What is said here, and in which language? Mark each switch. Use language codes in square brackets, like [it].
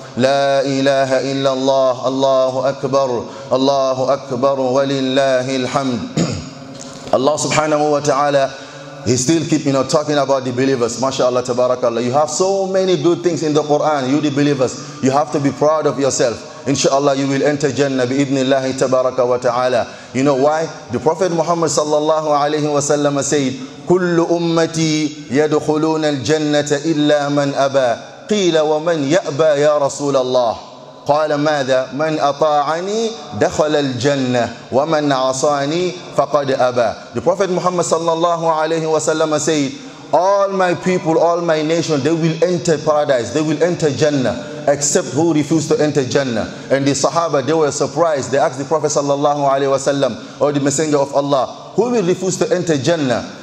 [ar] لا إله إلا الله الله أكبر الله أكبر ولله الحمد. [en] Allah subhanahu wa ta'ala, he still keep, you know, talking about the believers. MashaAllah, tabarakallah. You have so many good things in the Quran, you the believers. You have to be proud of yourself. InshaAllah, you will enter Jannah bi-idhnillahi tabaraka wa ta'ala. You know why? The Prophet Muhammad sallallahu alayhi wa sallam said, [ar] كل أمتي يدخلون الجنة إلا من أبى قيل ومن يأبى يا رسول الله قال ماذا من أطاعني دخل الجنة ومن عصاني فقد أبى. [en] The Prophet Muhammad sallallahu alayhi wa sallam said, all my people, all my nation, they will enter paradise, they will enter Jannah, except who refused to enter Jannah. And the Sahaba, they were surprised. They asked the Prophet sallallahu alayhi wa sallam, or the Messenger of Allah, who will refuse to enter Jannah?